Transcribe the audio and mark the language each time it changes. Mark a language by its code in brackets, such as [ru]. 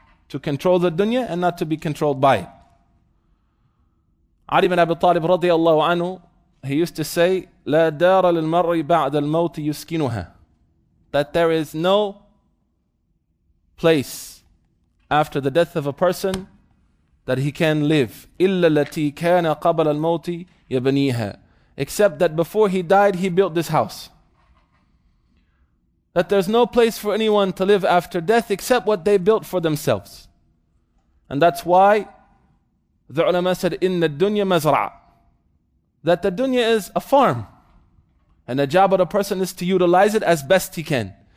[en] To control the dunya and not to be controlled by it. Ali ibn Abi Talib radiyallahu anhu, he used to say, [ar] لا دار للمرء بعد الموت يسكنها. [en] That there is no place after the death of a person that he can live. [ar] إلا التي كان قبل الموت يبنيها. [en] Except that before he died, he built this house. That there's no place for anyone to live after death except what they built for themselves. And that's why the ulama said, [ar] إِنَّ الدُّنْيَا مَزْرَعَ. [en] That the dunya is a farm. And the job of the person is to utilize it as best he can.